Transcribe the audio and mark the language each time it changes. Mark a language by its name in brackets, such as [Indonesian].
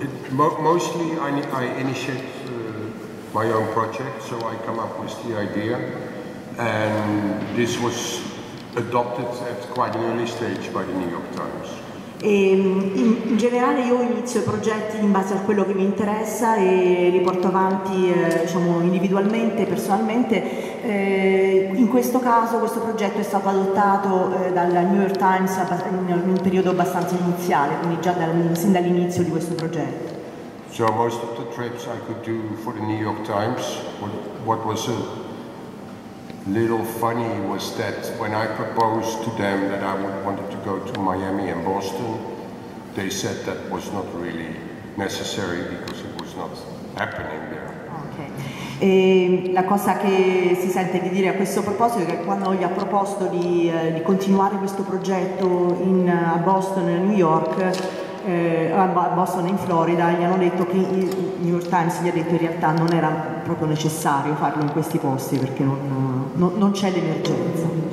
[English] Mostly I initiate my own project, so I come up with the idea and this was adopted at quite an early stage by the New York Times. [Italian] E in generale io inizio i progetti in base a quello che mi interessa e li porto avanti diciamo individualmente, personalmente. In questo caso questo progetto è stato adottato dalla New York Times in un periodo abbastanza iniziale, quindi già sin dall'inizio di questo progetto. [English] So most of the trips I could do for the New York Times, what was a little funny was that when I proposed to them that I wanted to go to Miami and Boston, they said that was not really necessary because it was not happening there. Okay. [Italian] E la cosa che si sente di dire a questo proposito è che quando gli ha proposto di continuare questo progetto a Boston e New York, a Boston in Florida, gli hanno detto che il New York Times gli ha detto che in realtà non era proprio necessario farlo in questi posti perché non c'è l'emergenza.